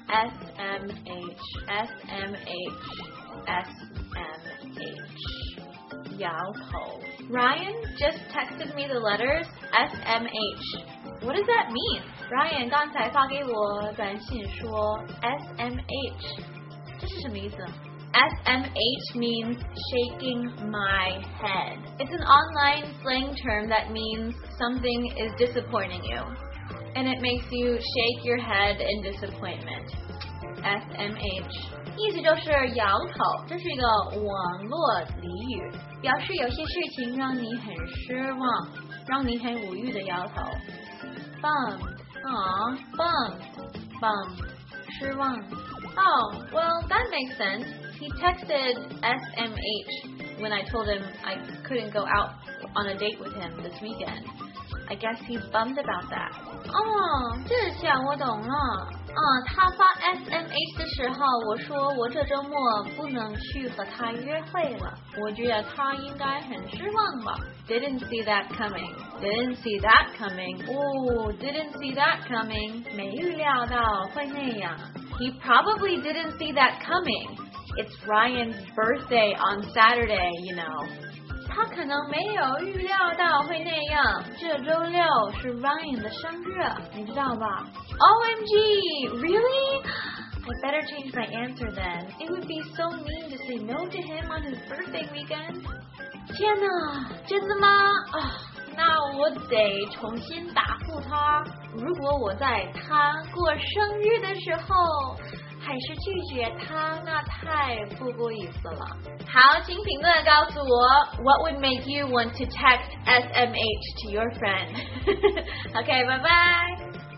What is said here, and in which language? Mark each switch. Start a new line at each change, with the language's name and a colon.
Chinese: SMH摇头。
English: Ryan just texted me the letters SMH. What does that mean?
Chinese: Ryan 刚才发给我短信说 SMH. 这是什么意思？
English: SMH means shaking my head. It's an online slang term that means something is disappointing you. And it makes you shake your head in disappointment. SMH.
Chinese: 意思就是摇头，这是一个网络俚语，表示有些事情让你很失望，让你很无语的摇头。
English: Bummed,
Chinese: 失望。
English: Oh, well, that makes sense. He texted SMH when I told him I couldn't go out on a date with him this weekend. I guess he's bummed about that.
Chinese: Oh, 这下我懂了。他发 SMH 的时候，我说我这周末不能去和他约会了。我觉得他应该很失望吧。
English: Didn't see that coming.
Chinese: 没预料到会那样。
English: He probably didn't see that coming. It's Ryan's birthday on Saturday, you know.
Chinese: 他可能没有预料到会那样。这周六是 Ryan 的生日，你知道吧？
English: OMG! Really? I better change my answer then. It would be so mean to say no to him on his birthday weekend.
Chinese: 天哪，真的吗？那我得重新答复他。如果我在他过生日的时候还是拒绝他，那太不够意思了。
English: 好，请评论告诉我 What would make you want to text SMH to your friend? OK, bye bye!